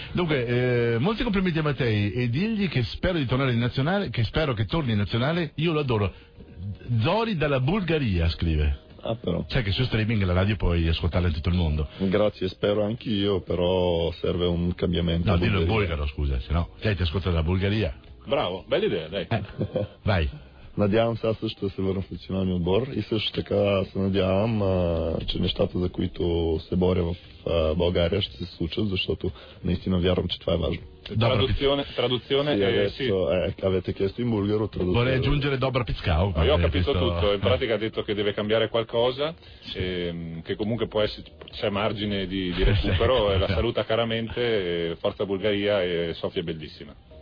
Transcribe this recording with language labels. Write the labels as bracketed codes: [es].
[it] Dunque, molti complimenti a Matei e digli che spero di tornare in nazionale, che spero che torni in nazionale, io lo adoro. Zori dalla Bulgaria, scrive. Ah, però. Sai che su streaming la radio puoi ascoltarla in tutto il mondo. Grazie, spero anch'io, però serve un cambiamento. No, dillo in bulgaro, scusa, se no. Dai, ti ascolta dalla Bulgaria. Bravo, bella idea, dai. Vai. [bg] Надявам се също да се върна в националния отбор и също така се надявам, че нещата, за които се боря в България, ще се случат, защото наистина вярвам, че това е важно. Традуzione [it] avete chiesto in bulgaro, traduzione. Vorrei aggiungere dobra pizkau. Io ho capito tutto, in pratica ha detto che deve cambiare qualcosa, sì. Che comunque può essere, c'è margine di recupero, sì. E la saluta caramente, forza Bulgaria e Sofia bellissima.